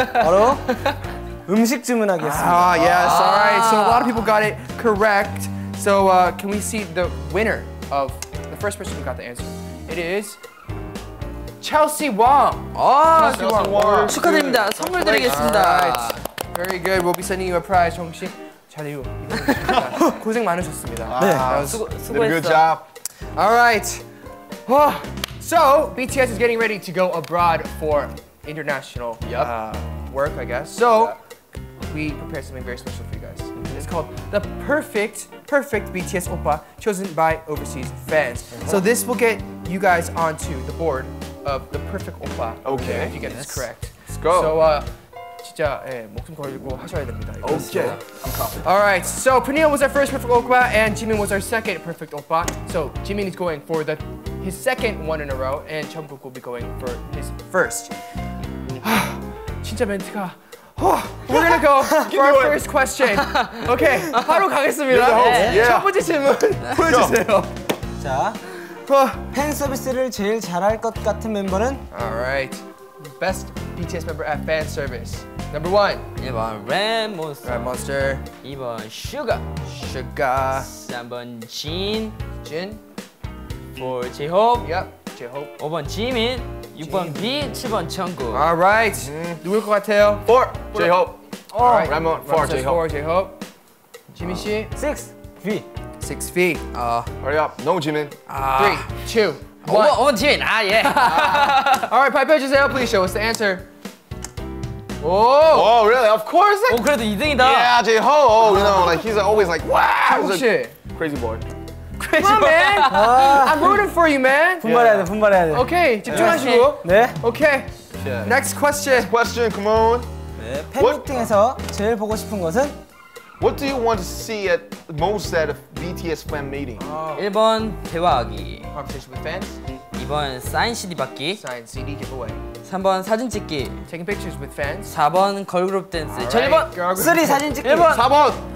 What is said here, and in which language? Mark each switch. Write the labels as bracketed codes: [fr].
[ko] 바로 음식 주문하겠습니다. [en] Ah, yes. All right. So a lot of people got it correct. So can we see the winner of the first person who got the answer? It is Chelsea Wong. [ko] Oh, Chelsea Wong. Wong. 축하드립니다. 선물 드리겠습니다. [en] All right. Very good. We'll be sending you a prize, 정씨. [ko] 잘해요. 고생 많으셨습니다. 네. 수고했어. [en] All right. So, BTS is getting ready to go abroad for international work, I guess. So, we prepared something very special for you guys. BTS. It's called The Perfect BTS Oppa, chosen by overseas fans. So this will get you guys onto the board of The Perfect Oppa. Okay. If you get this correct. Let's go. [ko] So, 진짜 예, 목숨 걸고 하셔야 됩니다. [en] 오케이. Okay. I'm confident. All right. So, Puneo was our first Perfect Oppa, and Jimin was our second Perfect Oppa. So, Jimin is going for his second one in a row, and Jungkook will be going for his first. [ko] 진짜 멘트가 [en] We're gonna go for our first question. [ko] Okay, 바로 가겠습니다. 첫 번째 질문 보여주세요. 자, 팬 서비스를 제일 잘할 것 같은 멤버는? [en] All right, best BTS member at fan service. Number one. [ko] 1번 Red Monster. 2번 Suga. 3번 Jin. 4번 J-Hope. [en] Yep, J-Hope. [ko] 5번 Jimin. 6번 B, 7번 Jungkook. All right. 누굴 것 같아요? [en] 4, J-Hope. All right. Ramon, 4, J-Hope. 4, J-Hope. Jimin 씨? 6, V. 6, V. Hurry up. No, Jimin. 3, 2, 1. [ko] 오, Jimin. 아, 예. [en] All right, [ko] 발표해 주세요. [en] Please show us the answer. Oh, really? Of course. [ko] 오, 그래도 2등이다. [en] Yeah, J-Hope. Oh, you know, like, he's always like, wow. He's a crazy boy. Come on, man! I'm rooting for you, man! [ko] 분발해야 돼, 분발해야 돼. Okay, 집중하시고. 네. [en] Okay. Next question. Next question, come on. 네, [ko] 팬미팅에서 제일 보고 싶은 것은? [en] What do you want to see at most at a BTS fan meeting? [ko] 1번, 대화하기. [en] Conversation with fans. [ko] 2번, 사인 CD 받기. [en] Sign CD giveaway. [ko] 3번, 사진 찍기. [en] Taking pictures with fans. [ko] 4번, 걸그룹 댄스. 저 1번! 3, 사진 찍기. 1번! 4번!